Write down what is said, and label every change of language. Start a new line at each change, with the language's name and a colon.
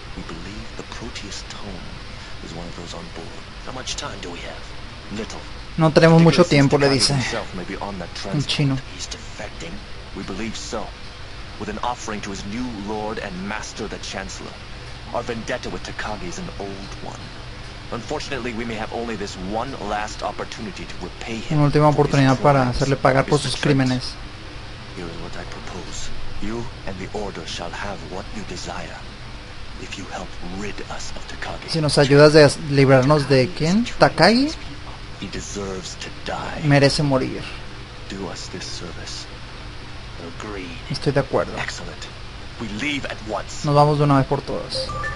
English: We believe the Proteus tome is one of those on board. How much time do we have?
Spanish: No tenemos mucho tiempo, le dice un chino.
English: We believe so. With an offering to his new lord and master, the chancellor. Our vendetta with Takagi is an old one. Unfortunately, we may have only this one last opportunity to repay him.
Spanish: Una última oportunidad para hacerle pagar por sus crímenes.
English: Here is what I propose. You and the order shall have what you desire. If you help rid us of Takagi.
Spanish: Si nos ayudas a librarnos de quién, Takagi.
English: He deserves to die.
Spanish: Merece morir.
English: Do us this service. Agreed.
Spanish: Estoy de acuerdo.
English: Excellent. We leave at once.
Spanish: Nos vamos de una vez por todas.